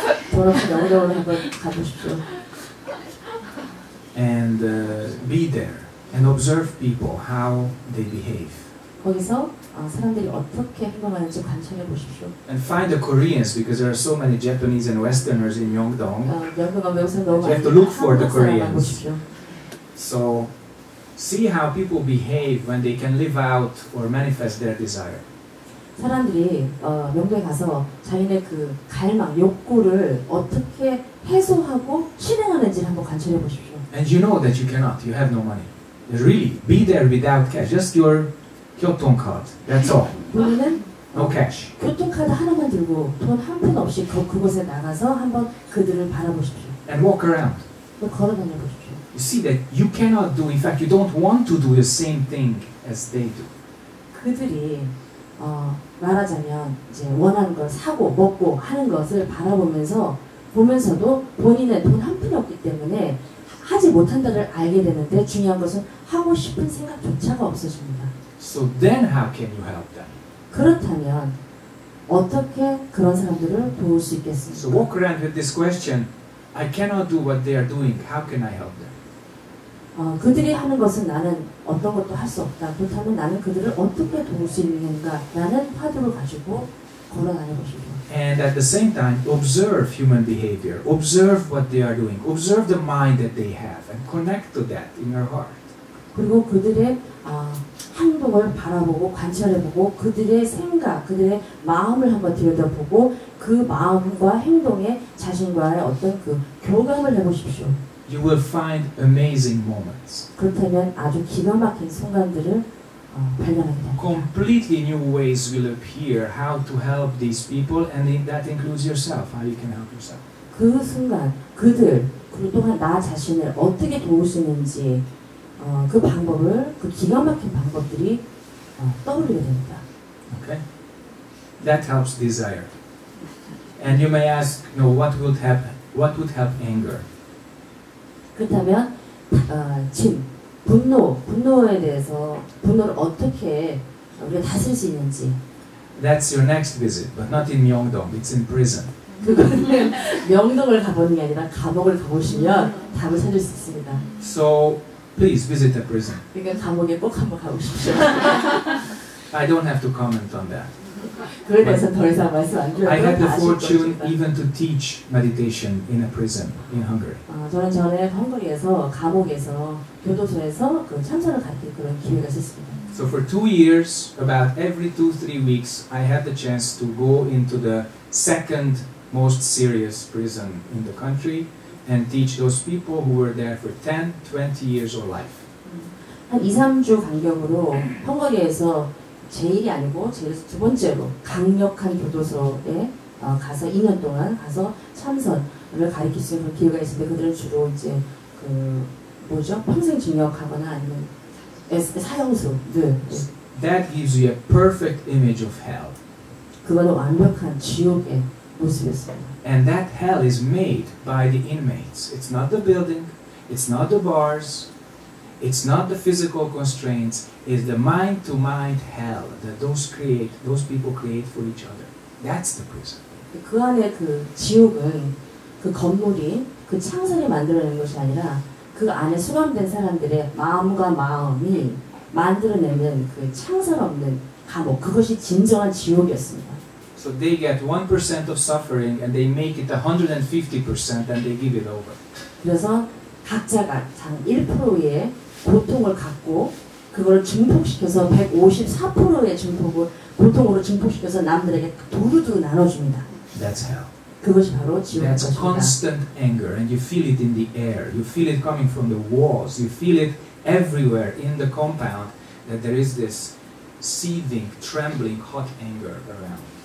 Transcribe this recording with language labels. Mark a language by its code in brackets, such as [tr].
[ko] 돈 없이 명동을 한번 가보십시오. [en] And be there and observe people how they behave. [ko] 거기서 사람들이 어떻게 행동하는지 관찰해 보십시오. [en] And find the Koreans because there are so many Japanese and Westerners in Myeongdong. [ko] 명동은 명사 너무 많아. [en] You have to look for the Koreans. So. See how people behave when they can live out or manifest their desire. [ko] 사람들이 명동에 가서 자신의 그 갈망, 욕구를 어떻게 해소하고 실행하는지 한번 관찰해 보십시오. [en] And you know that you cannot. You have no money. Really, be there without cash. Just your 교통 카드. That's all. [ko] 본인은 [en] no cash. [ko] 교통 카드 하나만 들고 돈 한 푼 없이 그곳에 나가서 한번 그들을 바라보십시오. [en] And walk around. [ko] 걸어 다녀 보십시오. [en] You see that you cannot do, in fact, you don't want to do the same thing as they do. [ko] 그들이 말하자면 이제 원하는 걸 사고 먹고 하는 것을 보면서도 본인의 돈 한 푼이 없기 때문에 하지 못한다를 알게 되는데 중요한 것은 하고 싶은 생각조차가 없어집니다. [en] So then how can you help them? [ko] 그렇다면 어떻게 그런 사람들을 도울 수 있겠습니까? [en] So walk around with this question, I cannot do what they are doing, how can I help them? [ko] 그들이 하는 것은 나는 어떤 것도 할 수 없다. 그렇다면 나는 그들을 어떻게 도울 수 있는가? 라는 화두를 가지고 걸어나는 것입니다. [en] And at the same time, observe human behavior. Observe what they are doing. Observe the mind that they have and connect to that in your heart. [ko] 그리고 그들의 행동을 바라보고 관찰해보고 그들의 생각, 그들의 마음을 한번 들여다보고 그 마음과 행동에 자신과의 어떤 그 교감을 해보십시오. [en] You will find amazing moments. [ko] 그렇다면 아주 기가 막힌 순간들을 발견합니다. [en] Completely new ways will appear how to help these people, and that includes yourself. How you can help yourself. [ko] 그 순간 그들 그리고 또한 나 자신을 어떻게 도울 수 있는지 그 방법을 그 기가 막힌 방법들이 떠오르게 됩니다. [en] Okay, that helps desire. And you may ask, you know, what would happen? What would help anger? [ko] 그렇다면 분노에 대해서 분노를 어떻게 우리가 다스릴 수 있는지. [en] That's your next visit, but not in Myeongdong. It's in prison. [ko] 그거는 명동을 가보는 게 아니라 감옥을 가보시면 답을 찾을 수 있습니다. [en] So please visit a prison. [ko] 그러니까 감옥에 꼭 한번 가보십시오. [en] I don't have to comment on that. [ko] 그에 대해서 더 이상 말씀 안 드려도 [en] I had the fortune even to teach meditation in a prison in Hungary. [ko] 저는 전에 헝가리에서 감옥에서 교도소에서 그 참선을 갖게 그런 기회가 있었습니다. [en] So for 2 years, about every 2-3 weeks, I had the chance to go into the second most serious prison in the country and teach those people who were there for 10, 20 years or life. [ko] 한 2-3주 간격으로 헝가리에서 제일이 아니고 제일 두 번째로 강력한 교도소에 가서 2년 동안 가서 참선을 가르칠 수 있는 기회가 있는데 그들은 주로 이제 그 뭐죠? 평생 징역하거나 아니면 사형수들. [en] that gives you a perfect image of hell. [ko] 그거는 완벽한 지옥의 모습이었습니다. [en] And that hell is made by the inmates. It's not the building, it's not the bars, it's not the physical constraints, it's the mind-to-mind hell that those people create for each other. That's the prison. [ko] 그 안에 그 지옥은 그 건물이 그 창살이 만들어낸 것이 아니라 그 안에 수감된 사람들의 마음과 마음이 만들어내는 그 창살 없는 감옥, 그것이 진정한 지옥이었습니다. [en] So they get 1% of suffering and they make it 150% and they give it over. [ko] 그래서 각자가 장 1%의 고통을 갖고 그걸 증폭시켜서 154%의 증폭을 고통으로 증폭시켜서 남들에게 두루두 나눠줍니다. [en] That's hell. [ko] 그것이 바로 지옥입니다. [en] That's constant anger and you feel it in the air. You feel it coming from the walls. You feel it everywhere in the compound that there is this seething, trembling, hot anger around.